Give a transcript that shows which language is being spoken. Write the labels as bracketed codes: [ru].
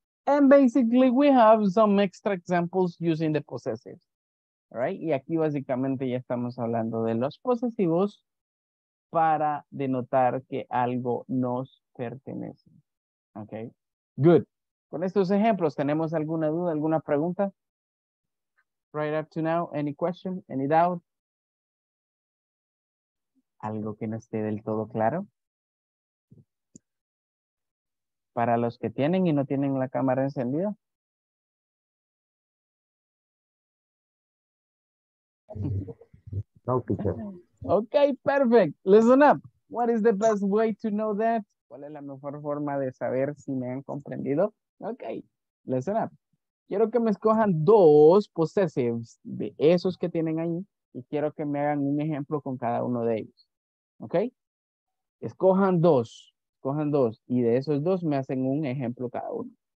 [en] And basically, we have some extra examples using the possessives, right? [es] Y aquí básicamente ya estamos hablando de los posesivos para denotar que algo nos pertenece, okay? Good. Con estos ejemplos, ¿tenemos alguna duda, alguna pregunta? [en] Right up to now, any question, any doubt? [es] ¿Algo que no esté del todo claro? Para los que tienen y no tienen la cámara encendida. [en] Ok, perfect. Listen up. What is the best way to know that? [es] ¿Cuál es la mejor forma de saber si me han comprendido? [en] Ok, listen up. [es] Quiero que me escojan dos possessives de esos que tienen ahí y quiero que me hagan un ejemplo con cada uno de ellos. Ok, escojan dos. Cojan dos y de esos dos me hacen un ejemplo cada uno.